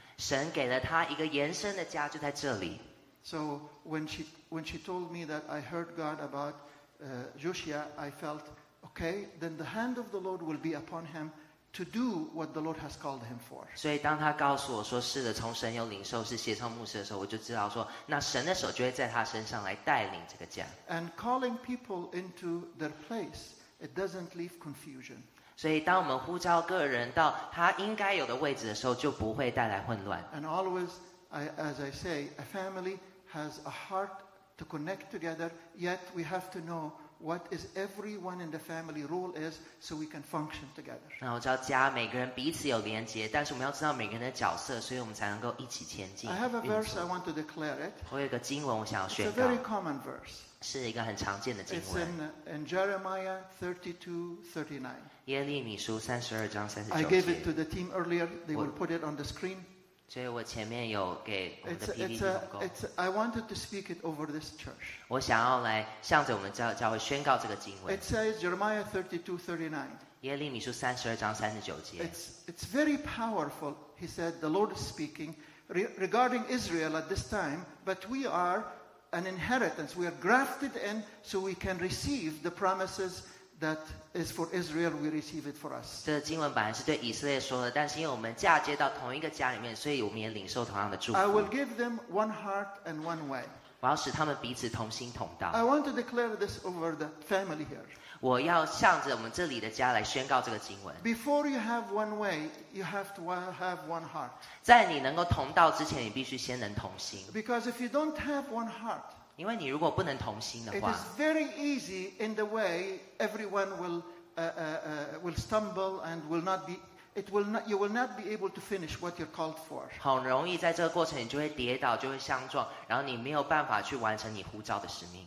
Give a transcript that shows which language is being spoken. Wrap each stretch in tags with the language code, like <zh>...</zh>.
<zh>神给了她一个延伸的家，就在这里。</zh> <en>So when she told me that I heard God about Joshua, I felt. Okay, then the hand of the Lord will be upon him to do what the Lord has called him for.</en> <zh>所以当他告诉我说是的，从神有领受是协同牧师的时候，我就知道说，那神的手就会在他身上来带领这个家。</zh> <en>And calling people into their place, it doesn't leave confusion.</en> <zh>所以当我们呼召个人到他应该有的位置的时候，就不会带来混乱。</zh> <en>And always, as I say, a family has a heart to connect together. Yet we have to know. What is everyone in the family role is so we can function together.</en> <zh>那我知道家每个人彼此有连结，但是我们要知道每个人的角色，所以我们才能够一起前进。</zh> <en>I have a verse I want to declare it.</en> <zh>我有一个经文我想要宣告。</zh> <en>It's a very common verse.</en> <zh>是一个很常见的经文。</zh> <en>It's in Jeremiah 32:39.</en> <zh>耶利米书32:39.</zh> <en>I gave it to the team earlier. They will put it on the screen.</en> <zh>所以我前面有给我们的 PPT 提供。</zh> <en>I wanted to speak it over this church.</en> <zh>我想要来向着我们教会宣告这个经文。</zh> <en>It says Jeremiah 32:39.</en> <zh>耶利米书32:39.</zh> <en>It's very powerful. He said the Lord is speaking regarding Israel at this time, but we are. An inheritance we are grafted in, so we can receive the promises that is for Israel. We receive it for us.</en> <zh>这经文本来是对以色列说的，但是因为我们嫁接到同一个家里面，所以我们也领受同样的祝福。</zh> <en>I will give them one heart and one way.</en> <zh>我要使他们彼此同心同道。</zh> <en>I want to declare this over the family here.</en> <zh>我要向着我们这里的家来宣告这个经文。</zh> <en>Before you have one way, you have to have one heart.</en> <zh>在你能够同道之前，你必须先能同心。</zh> <en>Because if you don't have one heart,</en> <zh>因为你如果不能同心的话</zh> <en>it is very easy in the way everyone will stumble and will not be. You will not be able to finish what you're called for.</en> <zh>很容易在这个过程你就会跌倒，就会相撞，然后你没有办法去完成你呼召的使命。</zh>